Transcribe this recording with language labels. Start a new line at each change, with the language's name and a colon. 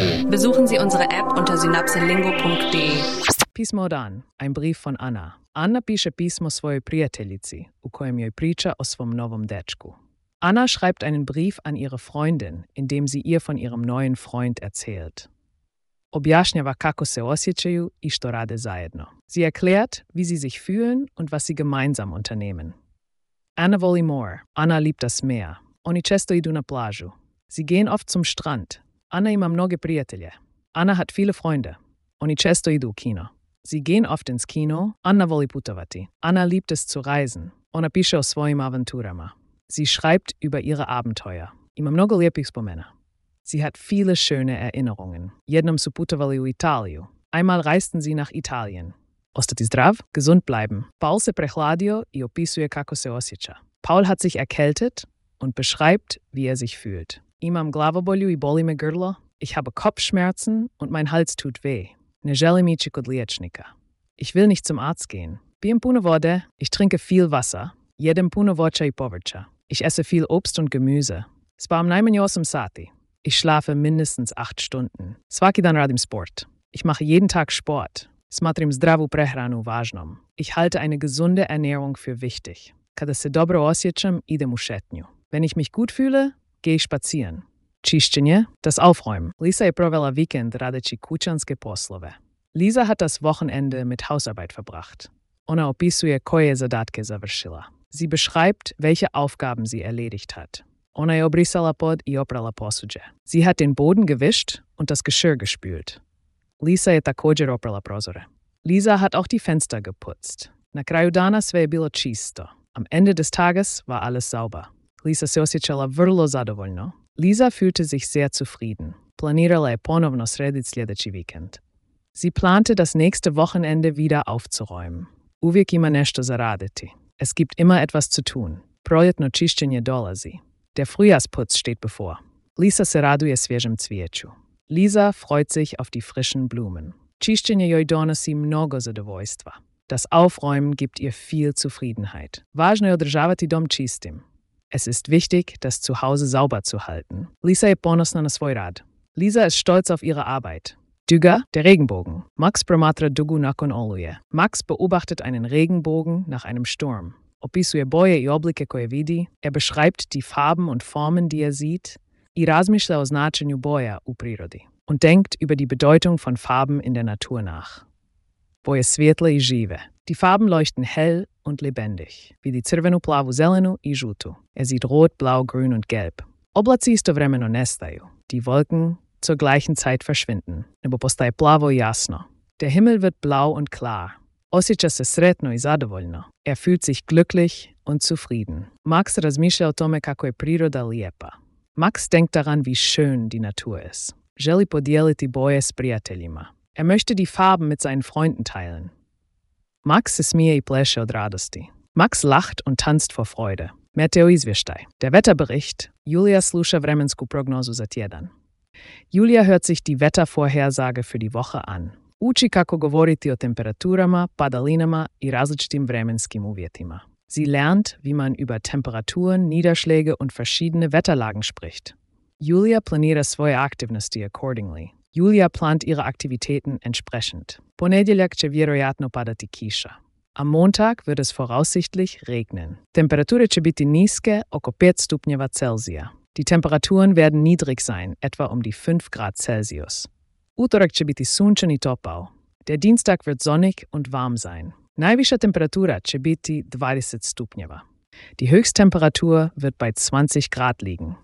German: Besuchen Sie unsere App unter synapselingo.de.
Croatian: Pismo dan, ein Brief von Anna. Anna piše pismo svojoj prijateljici, u kojem joj priča o svom novom dečku.
German: Anna schreibt einen Brief an ihre Freundin, in dem sie ihr von ihrem neuen Freund erzählt.
Croatian: Objašnjava kako se osjećaju i što rade zajedno.
German: Sie erklärt, wie sie sich fühlen und was sie gemeinsam unternehmen.
Croatian: Anna voli more.
German: Anna liebt das Meer.
Croatian: Oni često idu na plažu.
German: Sie gehen oft zum Strand.
Croatian: Anna ima mnoge prijatelje.
German: Anna hat viele Freunde.
Croatian: Oni često idu u kino.
German: Sie gehen oft ins Kino.
Croatian: Anna voli putovati.
German: Anna liebt es zu reisen.
Croatian: Ona piše o svojim avanturama.
German: Sie schreibt über ihre Abenteuer.
Croatian: Ima mnogo lijepih spomena.
German: Sie hat viele schöne Erinnerungen.
Croatian: Jednom su putovali u Italiju.
German: Einmal reisten sie nach Italien.
Croatian: Ostati zdrav,
German: gesund bleiben.
Croatian: Paul se prehladio i opisuje kako se osjeća.
German: Paul hat sich erkältet und beschreibt, wie er sich fühlt.
Croatian: Imam glavobolju i boli me grlo.
German: Ich habe Kopfschmerzen und mein Hals tut weh.
Croatian: Ne želim ići kod liječnika.
German: Ich will nicht zum Arzt gehen.
Croatian: Pijem puno vode.
German: Ich trinke viel Wasser.
Croatian: Jedem puno voća i povrća.
German: Ich esse viel Obst und Gemüse.
Croatian: Spavam najmanje 8 sati.
German: Ich schlafe mindestens 8 Stunden.
Croatian: Svaki dan radim sport.
German: Ich mache jeden Tag Sport.
Croatian: Smatrim zdravu prehranu važnom.
German: Ich halte eine gesunde Ernährung für wichtig.
Croatian: Kada se dobro osjećam, idem u šetnju.
German: Wenn ich mich gut fühle, gehe ich spazieren. Čišćenje, das Aufräumen.
Croatian: Lisa je provela weekend radeći kućanske poslove.
German: Lisa hat das Wochenende mit Hausarbeit verbracht.
Croatian: Ona opisuje koje zadatke završila.
German: Sie beschreibt, welche Aufgaben sie erledigt hat.
Croatian: Ona je obrisala pod i oprala posuđe.
German: Sie hat den Boden gewischt und das Geschirr gespült.
Croatian: Lisa je također oprala prozore.
German: Lisa hat auch die Fenster geputzt.
Croatian: Na kraju dana sve je bilo čisto.
German: Am Ende des Tages war alles sauber.
Croatian: Lisa se osjećala vrlo zadovoljno.
German: Lisa fühlte sich sehr zufrieden.
Croatian: Planirala je ponovno srediti sljedeći vikend.
German: Sie plante, das nächste Wochenende wieder aufzuräumen.
Croatian: Uvijek ima nešto za raditi.
German: Es gibt immer etwas zu tun.
Croatian: Projetno čišćenje dolazi.
German: Der Frühjahrsputz steht bevor.
Croatian: Lisa se raduje svježem cvijeću.
German: Lisa freut sich auf die frischen Blumen.
Croatian: Čišćenje joj donosi mnogo zadovoljstva.
German: Das Aufräumen gibt ihr viel Zufriedenheit.
Croatian: Važno je održavati dom čistim.
German: Es ist wichtig, das Zuhause sauber zu halten.
Croatian: Lisa je ponosna na svoj rad.
German: Lisa ist stolz auf ihre Arbeit. Duga, der Regenbogen.
Croatian: Max promatra dugu nakon oluje.
German: Max beobachtet einen Regenbogen nach einem Sturm.
Croatian: Opisuje boje i oblike koje vidi.
German: Er beschreibt die Farben und Formen, die er sieht.
Croatian: I razmišlja o značenju boja u prirodi.
German: Und denkt über die Bedeutung von Farben in der Natur nach.
Croatian: Boje svjetle i žive.
German: Die Farben leuchten hell und lebendig. Wie die
Croatian: crvenu, plavu, zelenu i žutu.
German: Er sieht rot, blau, grün und gelb.
Croatian: Oblaci istovremeno nestaju.
German: Die Wolken zur gleichen Zeit verschwinden.
Croatian: Nebo postaje plavo jasno.
German: Der Himmel wird blau und klar.
Croatian: Osjeća se sretno i zadovoljno.
German: Er fühlt sich glücklich und zufrieden.
Croatian: Max razmišlja o tome kako je priroda lijepa.
German: Max denkt daran, wie schön die Natur ist.
Croatian: Želi podijeliti boje s prijateljima.
German: Er möchte die Farben mit seinen Freunden teilen.
Croatian: Max se smije i pleše od radosti.
German: Max lacht und tanzt vor Freude.
Croatian: Meteo izvještaj.
German: Der Wetterbericht.
Croatian: Julia sluša vremensku prognozu za tjedan.
German: Julia hört sich die Wettervorhersage für die Woche an.
Croatian: Uči kako govoriti o temperaturama, padalinama i različitim vremenskim uvjetima.
German: Sie lernt, wie man über Temperaturen, Niederschläge und verschiedene Wetterlagen spricht.
Croatian: Julia planira svoje aktivnosti accordingly.
German: Julia plant ihre Aktivitäten entsprechend.
Croatian: Ponedjeljak će vjerojatno padati kiša.
German: Am Montag wird es voraussichtlich regnen.
Croatian: Temperature će biti niske, oko 5 stupnjeva Celsija.
German: Die Temperaturen werden niedrig sein, etwa um die 5 Grad Celsius.
Croatian: Utorak će biti sunčan i topao.
German: Der Dienstag wird sonnig und warm sein.
Croatian: Najviša temperatura će biti 20 stupnjeva.
German: Die Höchsttemperatur wird bei 20 Grad liegen.